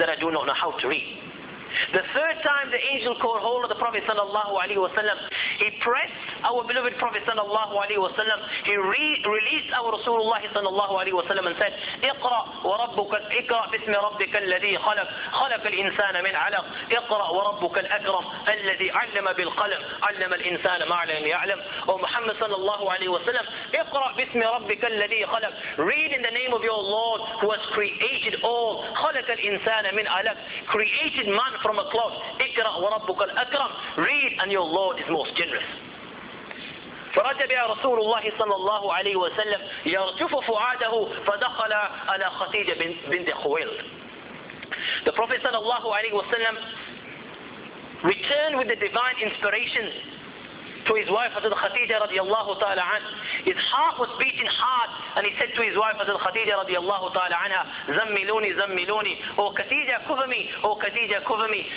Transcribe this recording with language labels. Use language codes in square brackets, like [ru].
[en] That I do not know how to read. The third time the angel caught hold of the Prophet sallallahu alayhi wa sallam, he pressed our beloved Prophet sallallahu alayhi wa sallam, he released our Rasulullah sallallahu alayhi wa sallam and said, [ar] اقرأ وربك اقرأ باسم ربك الذي خلق خلق الإنسان من علق اقرأ وربك الأكرم الذي علم بالقلم علم الإنسان ما لم يعلم. [en] O Muhammad sallallahu alayhi wa sallam, [ar] اقرأ باسم ربك الذي خلق. [en] Read in the name of your Lord who has created all. [ar] خلق الإنسان من علق, [en] created man from a cloth. [ar] اقرأ وربك الأكرم. [en] Read, and your Lord is most generous. [ar] فرجع رسول الله صلى الله عليه وسلم يرجف فؤاده فدخل على خديجة بنت خويلد. [en] The Prophet [ar] صلى الله عليه وسلم [en] returned with the divine inspiration to his wife Hazrat Khadija radiallahu ta'ala anha. His heart was beating hard and he said to his wife Hazrat Khadija radiallahu ta'ala anha, zammiluni, zammiluni, oh Khadija, cover me, oh Khadija, cover me.